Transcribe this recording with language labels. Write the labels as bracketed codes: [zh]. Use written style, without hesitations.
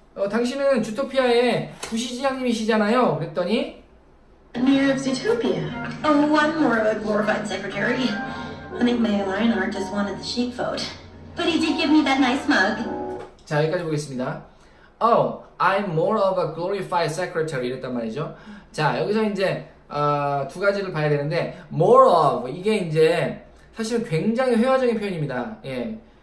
[ko] 당신은 주토피아의 부시장님이시잖아요. 그랬더니 [en] Mayor of Zootopia. Oh, one more of a glorified secretary. I think Mayor Lionheart just wanted the sheep vote. But he did give me that nice mug. [ko] 자, 여기까지 보겠습니다. [en] Oh, I'm more of a glorified secretary [ko] 이랬단 말이죠. 자, 여기서 이제 두 가지를 봐야 되는데 [en] more of [ko] 이게 이제 사실은 굉장히 회화적인 표현입니다. 예.